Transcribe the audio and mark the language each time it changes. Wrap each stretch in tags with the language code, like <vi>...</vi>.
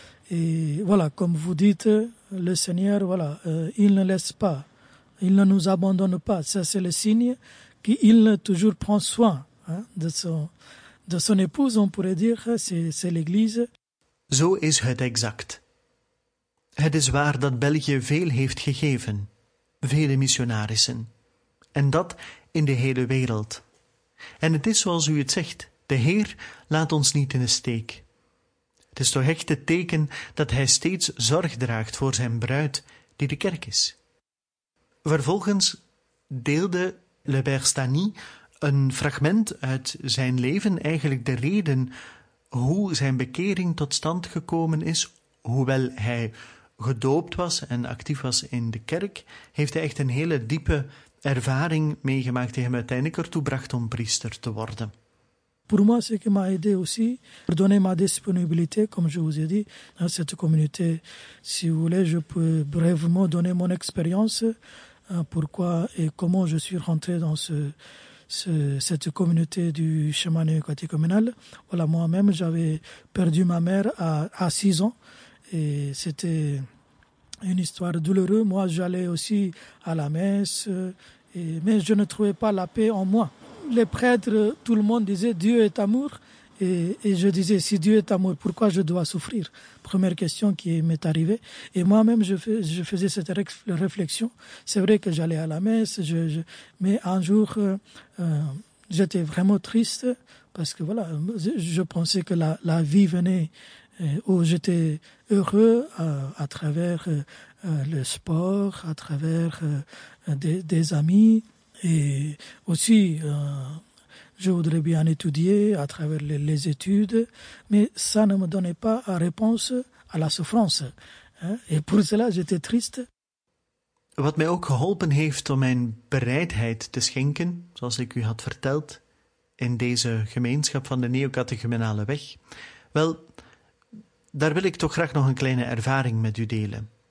<fr>Et voilà, comme vous dites, le Seigneur, voilà, il ne laisse pas. Il ne nous abandonne pas. Ça, c'est le signe qu'il toujours prend soin hein, de son épouse, on pourrait dire, c'est l'Église.</fr> <nl>Zo is het exact. Het is waar dat België veel heeft gegeven, vele missionarissen, en dat in de hele wereld. En het is zoals u het zegt, de Heer laat ons niet in de steek. Het is toch echt het teken dat hij steeds zorg draagt voor zijn bruid, die de kerk is. Vervolgens deelde Le Père Stany een fragment uit zijn leven, eigenlijk de reden hoe zijn bekering tot stand gekomen is, hoewel hij gedoopt was en actief was in de kerk, heeft hij echt een hele diepe ervaring meegemaakt die hem uiteindelijk ertoe bracht om priester te worden. Voor mij is het ook mijn idee om te geven mijn disponibiliteit, zoals ik u zei, in deze gemeenschap. Als u wilt, kan ik</nl> <fr>brevement</fr> <nl>geven mijn</nl> <fr>expérience,</fr> <nl>waarom en hoe ik ben</nl> <fr>rentré</fr> <nl>in deze gemeenschap van het chemin neoquatique communal.</nl> <fr>Voilà, moi-même, j'avais perdu ma mère à 6 ans. Et c'était une histoire douloureuse. Moi, j'allais aussi à la messe, mais je ne trouvais pas la paix en moi. Les prêtres, tout le monde disait « Dieu est amour ». Et je disais « Si Dieu est amour, pourquoi je dois souffrir ?» Première question qui m'est arrivée. Et moi-même, je faisais cette réflexion. C'est vrai que j'allais à la messe, mais un jour, j'étais vraiment triste, parce que voilà, je pensais que la vie venait où j'étais heureux à travers le sport, à travers des amis. Et aussi, je voudrais bien étudier à travers les études, mais ça ne me donnait pas la réponse à la souffrance. Et pour cela, j'étais triste.</fr> <nl>Wat mij ook geholpen heeft om mijn bereidheid te schenken, zoals ik u had verteld, in deze gemeenschap van de neocatechumenale weg, wel, daar wil ik toch graag nog een kleine ervaring met u delen.</nl>